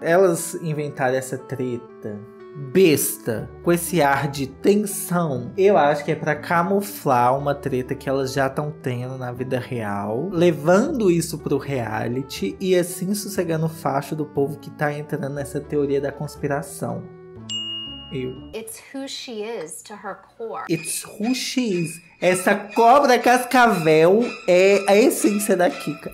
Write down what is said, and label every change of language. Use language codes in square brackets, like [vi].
[pt] Elas inventaram essa treta besta, com esse ar de tensão, eu acho que é pra camuflar uma treta que elas já estão tendo na vida real, levando isso pro reality e assim sossegando o facho do povo que tá entrando nessa teoria da conspiração. [en] It's who she is to her core. It's who she is. [pt] Essa cobra cascavel é a essência da Kika.